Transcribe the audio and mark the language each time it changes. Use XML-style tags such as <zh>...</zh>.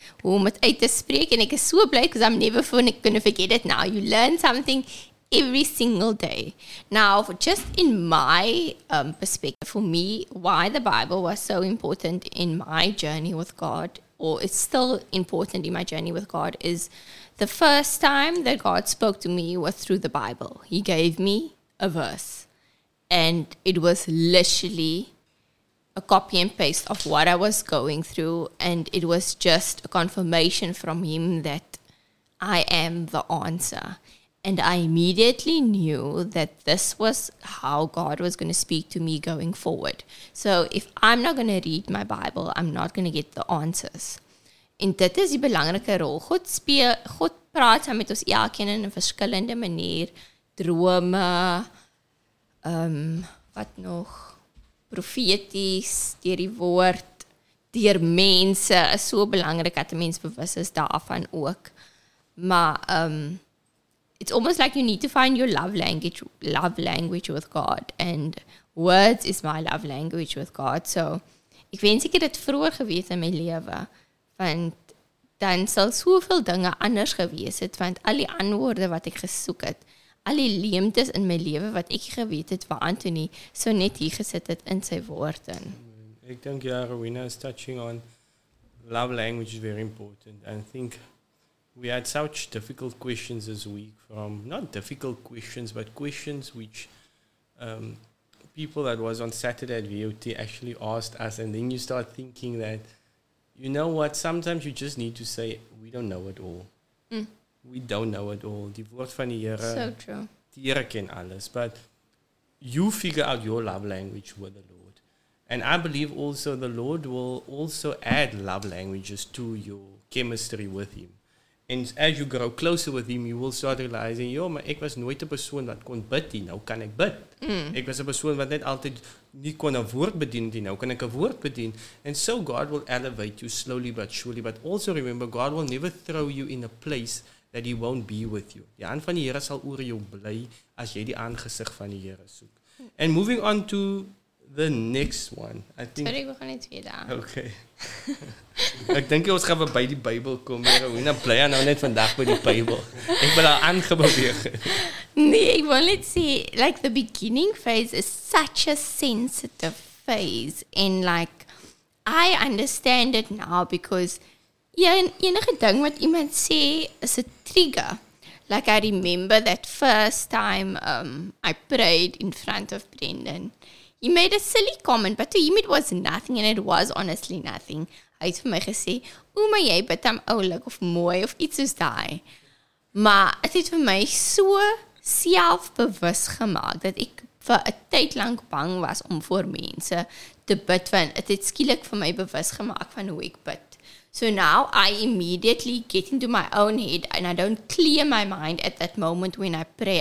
<af>Hoe om het uit te spreek, en ek is so bly,</af> <en>because I'm never gonna forget it now. You learn something every single day. Now, just in my perspective, for me, why the Bible was so important in my journey with God, or it's still important in my journey with God, is the first time that God spoke to me was through the Bible. He gave me a verse, and it was literally a copy and paste of what I was going through, and it was just a confirmation from Him that I am the answer. And I immediately knew that this was how God was going to speak to me going forward. So if I'm not going to read my Bible, I'm not going to get the answers.</en> <af>En dit is die belangrike rol. God praat saam met ons elkeen in 'n verskillende manier. Drome, wat nog, profeties, deur die woord, deur mense, is so belangrik dat 'n mens bewus is daarvan ook.</af> <en>Maar it's almost like you need to find your love language with God. And words is my love language with God.</en> <af>So, ek wens ek het dit vroeger geweet in my lewe. Want dan sal soveel dinge anders gewees het. Want al die antwoorde wat ek gesoek het, al die leemtes in my lewe wat ek geweet het, waar Anthony so net hier gesit het in sy woord in. Ek dink, ja,</af> <en>Rowena is touching on love language is very important. And I think we had such difficult questions this week. Not difficult questions, but questions which people that was on Saturday at VOT actually asked us. And then you start thinking that, you know what, sometimes you just need to say, we don't know it all. Mm. We don't know it all.</en> <af>Die woord van die Here,</af> <en>so true.</en> <af>Die Here ken alles.</af> <en>But you figure out your love language with the Lord. And I believe also the Lord will also add love languages to your chemistry with Him. And as you grow closer with Him, you will start realizing, yo,</en> <af>maar ek was nooit 'n persoon wat kon bid nie, nou kan ek bid. Mm. Ek was 'n persoon wat net altyd nie kon 'n woord bedien nie, nou kan ek 'n woord bedien.</af> <en>And so God will elevate you slowly but surely. But also remember, God will never throw you in a place that He won't be with you.</en> <af>Die hand van die Here sal oor jou bly as jy die aangesig van die Here soek.</af> <en>And moving on to the next one. I think</en> <af>sorry, we gaan net weer daar. Okay. Ek dink ons gaan weer by die Bybel kom, Rowena, bly nou net vandag by die Bybel. Ek wil al aangebeweeg. Nee, ek wil net sê,</af> <en>like the beginning phase is such a sensitive phase. And like, I understand it now because</en> <af>enige ding wat iemand sê</af> <en>is a trigger. Like I remember that first time I prayed in front of Brendan. He made a silly comment, but to him it was nothing, and it was honestly nothing.</en> <af>Hy het vir my gesê, "O, maar jy bid hom oulik of mooi of iets soos daai." Maar het dit vir my so selfbewus gemaak dat ek vir 'n tyd lank bang was om voor mense te bid, want het dit skielik vir my bewus gemaak van hoe ek bid.</af> <en>So now I immediately get into my own head and I don't clear my mind at that moment when I pray.</en>